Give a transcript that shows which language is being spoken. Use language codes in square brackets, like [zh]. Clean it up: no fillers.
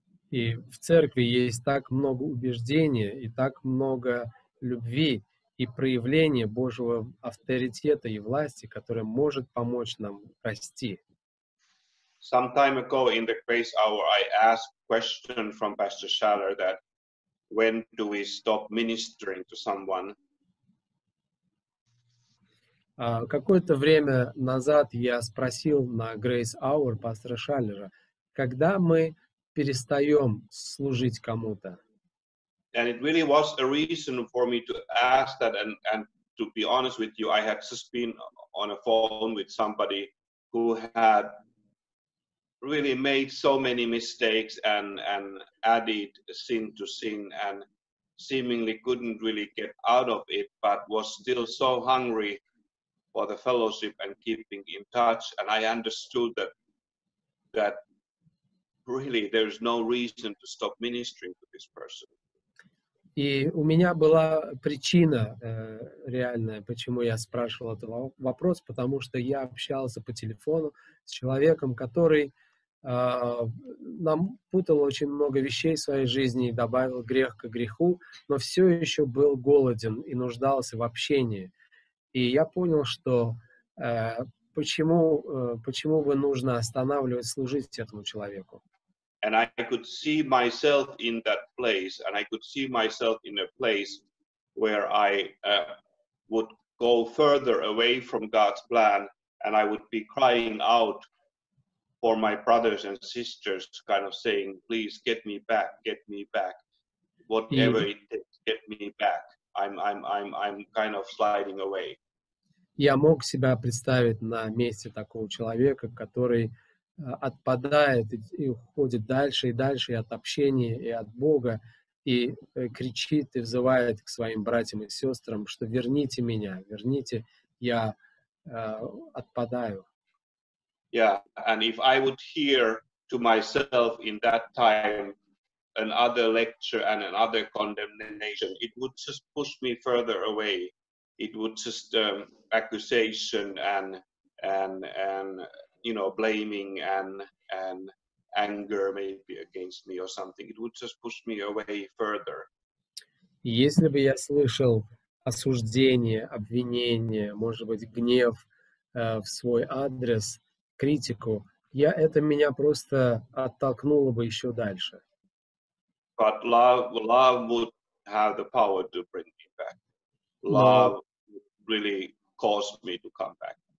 [ru] И в церкви есть так много убеждения и так много любви и проявления Божьего авторитета и власти, которое может помочь нам расти. [en] Some time ago in the Grace Hour, I asked a question from Pastor Schaller that when do we stop ministering to someone? [ru] Какое-то время назад я спросил на Grace Hour пастора Шаллера, когда мы перестаем служить кому-то. [en] And it really was a reason for me to ask that and to be honest with you, I had just been on a phone with somebody who had really made so many mistakes and added sin to sin and seemingly couldn't really get out of it, but was still so hungry for the fellowship and keeping in touch. And I understood that really there's no reason to stop ministering to this person. [ru] И у меня была причина реальная, почему я спрашивал этот вопрос, потому что я общался по телефону с человеком, который напутал очень много вещей в своей жизни и добавил грех к греху, но все еще был голоден и нуждался в общении. И я понял, что почему бы нужно останавливать служить этому человеку. [en] And I could see myself in that place, and I could see myself in a place where I would go further away from God's plan, and I would be crying out for my brothers and sisters, kind of saying, please get me back, whatever it takes, get me back. I'm kind of sliding away. [ru] Я мог себя представить на месте такого человека, который отпадает и уходит дальше и дальше от общения и от Бога и кричит и взывает к своим братьям и сестрам, что верните меня, верните, я отпадаю. [en] Yeah, and if I would hear to myself in that time another lecture and another condemnation, it would just push me further away. It would just accusation and you know, blaming and anger maybe against me or something. It would just push me away further. [ru] Если бы я слышал осуждение, обвинение, может быть, гнев в свой адрес, критику, я это меня просто оттолкнуло бы еще дальше. [en] But love would have the power to bring me back. Love would really cause me to come back.